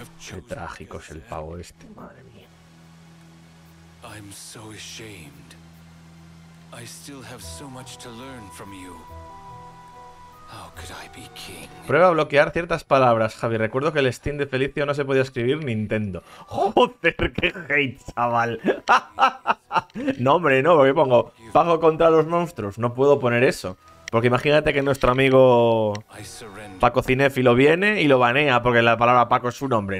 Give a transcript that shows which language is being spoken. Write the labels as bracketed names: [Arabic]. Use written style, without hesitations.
[Spanish] Qué trágico es el pavo este, madre mía. [English] I'm so ashamed. I still have so much to learn from you. How could I be king? [Spanish] Prueba a bloquear ciertas palabras, Javi. Recuerdo que el Steam de Felicio no se podía escribir Nintendo. Joder, qué hate, chaval. No, hombre, no, porque pongo Pago contra los monstruos. No puedo poner eso. Porque imagínate que nuestro amigo Paco Cinéfilo viene y lo banea porque la palabra Paco es su nombre.